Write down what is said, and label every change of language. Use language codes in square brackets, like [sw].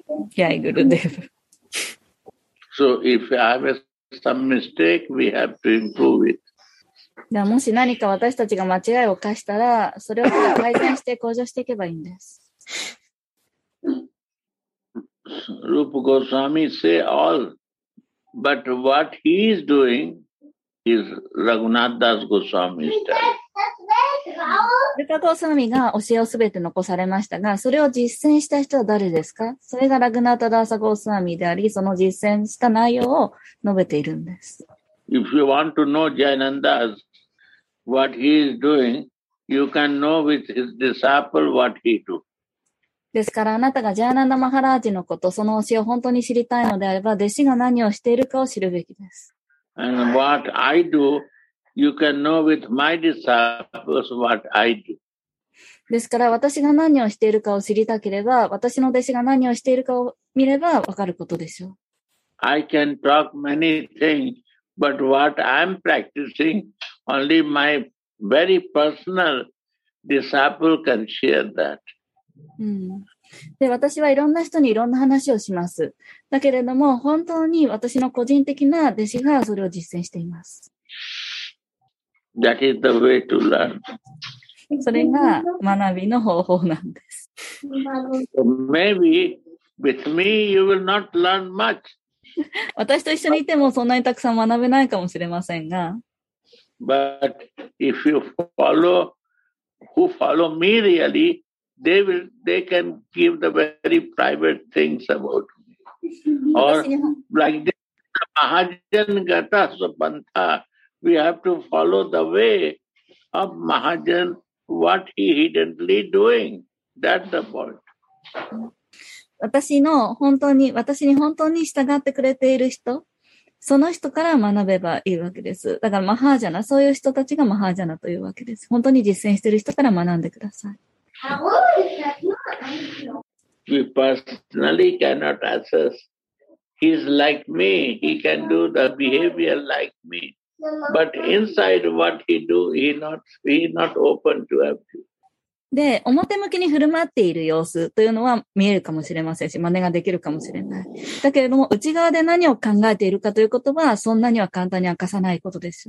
[ja] ジャイグルデブ。 [en] So if I have some mistake, we have to improve it. [ja] もし何か私たちが間違いを犯したら、それを改善して向上していけばいいんです。 [en] Rupa Goswami say all, but what he is doing. Is Raghunath Das Goswami style. [ja] Rupa Goswami が教えをすべて残されましたが、それを実践した人は誰ですか？それがRaghunath Das Goswami であり、その実践した内容を述べているんです。 [en] If you want to know Jayananda, what he is doing, you can know with his disciple what he do. [ja] ですから、あなたがジャーナンダ・マハラージのこと、その教えを本当に知りたいのであれば、弟子が何をしているかを知るべきです。 [en] And what I do, you can know with my disciples what I do. [ja] ですから私が何をしているかを知りたければ、私の弟子が何をしているかを見ればわかることでしょう。 [en] I can talk many things, but what I'm practicing, only my very personal disciple can share that. [ja] で私はいろんな人にいろんな話をします。だけれども、本当に私の個人的な弟子がそれを実践しています。 [en] That is the way to learn. [ja] それが学びの方法なんです。 [en] Maybe with me you will not learn much. [ja] 私と一緒にいてもそんなにたくさん学べないかもしれませんが。 [en] But if you follow, who follow me really,They can give the very private things about me. Or like the Mahajan Gata Sapanta, we have to follow the way of Mahajan, what he hiddenly doing. That's the point. [ja] 私の本当に、私に本当に従ってくれている人、その人から学べばいいわけです。だからマハージャナ、そういう人たちがマハージャナというわけです。本当に実践している人から学んでください。 [en] We personally cannot assess. He's like me. He can do the behavior like me. But inside what he do, he not open to everything. [ja] で、表向きに振る舞っている様子というのは見えるかもしれませんし、真似ができるかもしれない。だけれども、内側で何を考えているかということは、そんなには簡単に明かさないことです